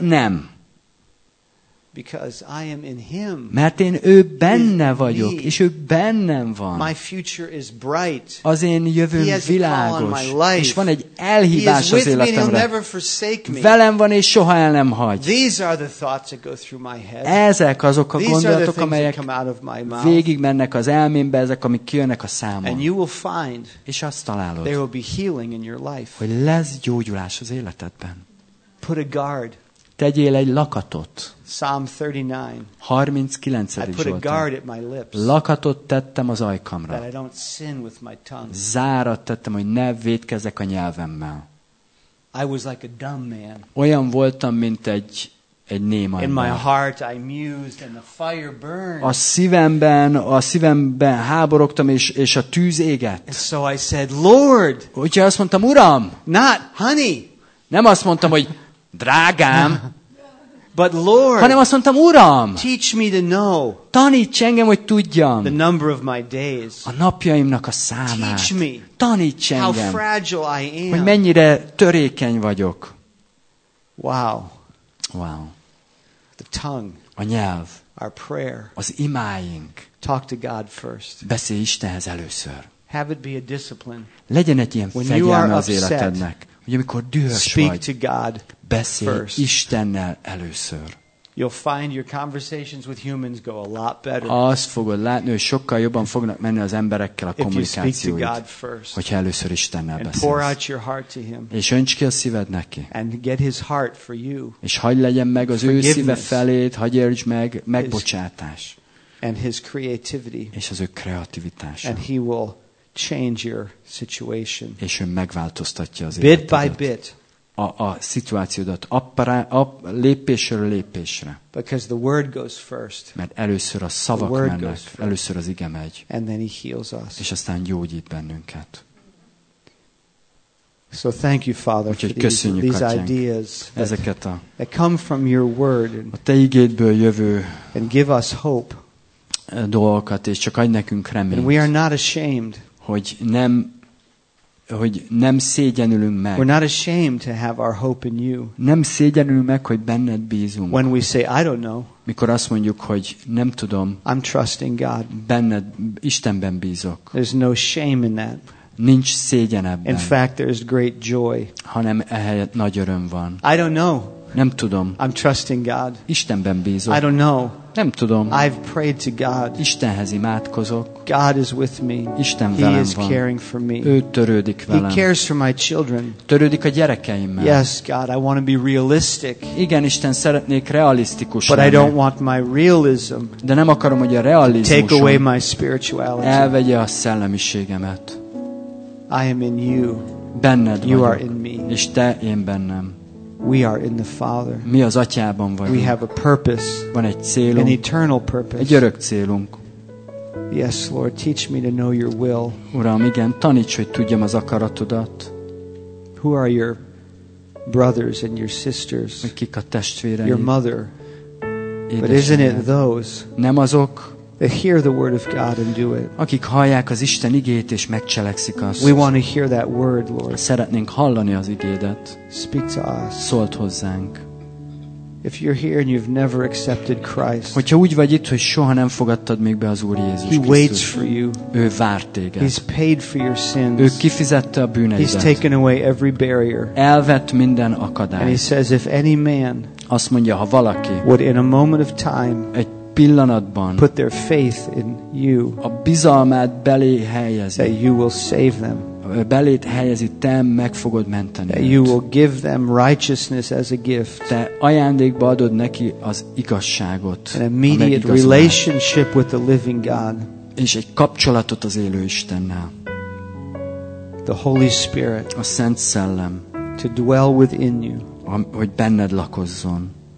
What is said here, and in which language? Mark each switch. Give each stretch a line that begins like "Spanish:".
Hungarian: Nem.
English: Because I am in him.
Hungarian: Mert én ő benne vagyok, és ő bennem van.
English: My future is bright.
Hungarian: Az én jövőm világos.
English: He has a call on my life.
Hungarian: És van egy elhívás az életemre.
English: He'll never forsake me.
Hungarian: Velem van, és soha el nem hagy.
English: These are the thoughts that go through my head.
Hungarian: Ezek azok a gondolatok, amelyek
English: come out of my mouth.
Hungarian: Végig mennek az elmémbe, ezek, amik kijönnek a számon.
English: And you will find,
Hungarian: és azt találod,
English: there will be healing in your life.
Hungarian: Hogy lesz gyógyulás az életedben.
English: Put a guard.
Hungarian: Tegyél egy lakatot.
English: Psalm 39.
Hungarian: 39.
English: I put a guard at my lips.
Hungarian: Lakatot tettem az ajkamra.
English: That I don't sin with my tongue.
Hungarian: Zárat tettem, hogy ne vétkezek a nyelvemmel.
English: I was like a dumb man.
Hungarian: Olyan voltam, mint egy néma ember.
English: In my heart I mused and the fire burned.
Hungarian: A szívemben háborogtam, és a tűz égett.
English: And so I said, Lord.
Hungarian: Úgy azt mondtam, Uram.
English: Not honey.
Hungarian: Nem azt mondtam, hogy drágám.
English: But Lord,
Hungarian: hanem azt mondtam, Uram,
English: teach me to know.
Hungarian: Taníts engem, hogy tudjam.
English: The number of my days.
Hungarian: A napjaimnak a számát.
English: Teach me.
Hungarian: Taníts engem.
English: How fragile I am.
Hungarian: Hogy mennyire törékeny vagyok. Wow. Wow.
English: The tongue.
Hungarian: A nyelv.
English: Our prayer.
Hungarian: Az imáink.
English: Talk to God first.
Hungarian: Beszélj Istenhez először.
English: Have it be a discipline.
Hungarian: Legyen egy ilyen fegyelme az életednek. Hogy amikor dühös
English: Speak
Hungarian: vagy,
English: to God
Hungarian: beszélj
English: first.
Hungarian: Istennel először.
English: You'll find your conversations with humans go a lot better.
Hungarian: Azt fogod látni, hogy sokkal jobban fognak menni az emberekkel a kommunikációid, hogyha először Istennel
English: and
Hungarian: beszélsz.
English: Pour out your heart to him.
Hungarian: És önts ki a szíved neki.
English: And get his heart for you.
Hungarian: És hagyd legyen meg az ő szíve feléd, hagyj érts meg megbocsátás.
English: And his creativity.
Hungarian: És az ő kreativitása.
English: And he will change your situation.
Hungarian: És ő megváltoztatja az életedet.
English: Bit by bit.
Hungarian: A szituációdat lépésről lépésre.
English: Because the word goes first.
Hungarian: Mert először a szavak mennek, először az ige megy.
English: And then he heals us.
Hungarian: És aztán gyógyít bennünket.
English: So thank you, Father, for these ideas
Hungarian: ezeket
English: that come from your word
Hungarian: a te igédből jövő
English: and give us hope
Hungarian: dolgokat, és csak adj nekünk reményt.
English: And we are not ashamed.
Hungarian: Hogy nem szégyenülünk meg.
English: We're not ashamed to have our hope in you.
Hungarian: Nem szégyenülünk meg, hogy benned bízunk.
English: When we say I don't know.
Hungarian: Mikor azt mondjuk, hogy nem tudom.
English: I'm trusting God.
Hungarian: Benned, Istenben bízok.
English: There's no shame in that.
Hungarian: Nincs szégyen ebben.
English: In fact, there's great joy.
Hungarian: Hanem ehelyett nagy öröm van.
English: I don't know.
Hungarian: Nem tudom.
English: I'm trusting God.
Hungarian: Istenben bízok.
English: I don't know.
Hungarian: Nem tudom.
English: I've prayed to God.
Hungarian: Istenhez imádkozok.
English: God is with me.
Hungarian: Isten velem van.
English: He is caring for me.
Hungarian: Ő törődik velem.
English: He cares for my children.
Hungarian: Törődik a gyerekeimmel.
English: Yes, God, I want to be realistic.
Hungarian: Igen, Isten, szeretnék realisztikus lenni.
English: But I don't want my realism.
Hungarian: De nem akarom, hogy a realizmusom
English: take away my spirituality.
Hungarian: Elvegye a szellemiségemet.
English: I am in you.
Hungarian: Benned
English: you
Hungarian: vagyok.
English: Are in me.
Hungarian: És te én bennem.
English: We are in the Father.
Hungarian: Mi az Atyában vagyunk.
English: We have a purpose.
Hungarian: Van egy célunk.
English: An eternal purpose.
Hungarian: Egy örök célunk.
English: Yes, Lord, teach me to know your will.
Hungarian: Uram, igen, taníts, hogy tudjam az akaratodat.
English: Who are your brothers and your sisters?
Hungarian: Kik a testvéreid?
English: Your mother.
Hungarian: Édesanyád.
English: But isn't it those?
Hungarian: Nem azok.
English: They hear the word of God and do it.
Hungarian: Akik hallják az Isten igét és megcselekszik azt.
English: We want to hear that word, Lord.
Hungarian: Szeretnénk hallani az igédet.
English: Speak to us.
Hungarian: Szólt hozzánk.
English: If you're here and you've never accepted Christ.
Hungarian: Hogyha úgy vagy itt, hogy soha nem fogadtad még be az Úr Jézus Krisztust.
English: He waits for you.
Hungarian: Ő vár téged.
English: He's paid for your sins.
Hungarian: Ő kifizette a bűneidet.
English: He's taken away every barrier.
Hungarian: Elvett minden akadályt.
English: And he says if any man.
Hungarian: Azt mondja, ha valaki.
English: Would in a moment of time.
Hungarian: Egy pillanatban
English: put their faith in you,
Hungarian: a bizalmát belé helyezi,
English: that you will save them,
Hungarian: beléd helyezi, te meg fogod menteni,
English: that you will give them righteousness as a gift,
Hungarian: te ajándékba adod neki az igazságot,
English: an immediate relationship with the living God,
Hungarian: és egy kapcsolatot az élő Istennel,
English: the Holy Spirit,
Hungarian: a Szent Szellem,
English: to dwell within you,
Hungarian: hogy benned lakozzon.